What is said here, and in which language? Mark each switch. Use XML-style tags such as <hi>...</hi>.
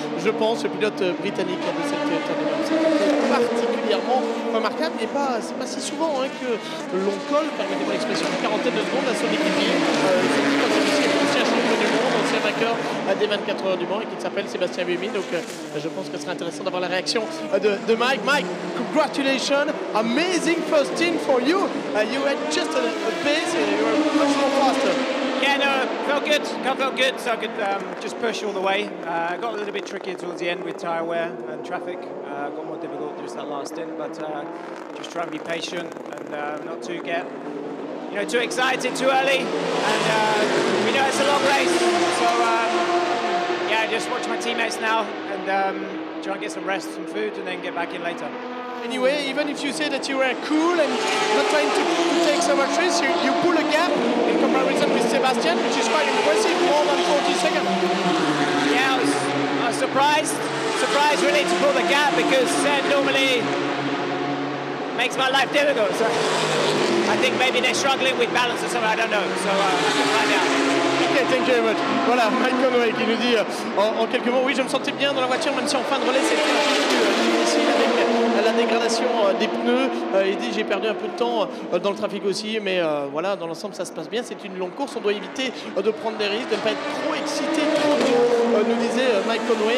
<fr>Je pense, le pilote britannique de cette étape particulièrement remarquable, mais pas, c'est pas si souvent hein, que l'on colle, permettez-moi l'expression, une quarantaine de secondes à son équipier, ancien champion du monde, ancien vainqueur des 24 heures du Mans, et qui s'appelle Sébastien Buemi. Donc je pense que ce serait intéressant d'avoir la réaction de Mike.</fr> <en>Mike, congratulations, amazing first team for you. You had just a pace, and you were much more faster. Yeah, no, felt good, so I could just push all the way. Got a little bit tricky towards the end with tyre wear and traffic. Got more difficult just that last stint, but just try and be patient and not to get, you know, too excited too early. And we know it's a long race, so yeah, just watch my teammates now and try and get some rest, some food, and then get back in later. Anyway, even if you say that you were cool and not trying to take so much risk, you pull a gap in comparison with Sebastian, which is quite impressive, more than 40 seconds. Yeah, I was surprised really to pull the gap, because Seb normally makes my life difficult. So I think maybe they're struggling with balance or something, I don't know. So right now. Okay, thank you very much.</en> <fr>Voilà, Mike Conway qui nous dit en quelques mots, oui, je me sentais bien dans la voiture, même si en fin de relais, c'était un peu difficile avec la dégradation des pneus. Il dit, j'ai perdu un peu de temps dans le trafic aussi, mais voilà, dans l'ensemble, ça se passe bien. C'est une longue course, on doit éviter de prendre des risques, de ne pas être trop excité, trop tôt, nous disait Mike Conway.</fr>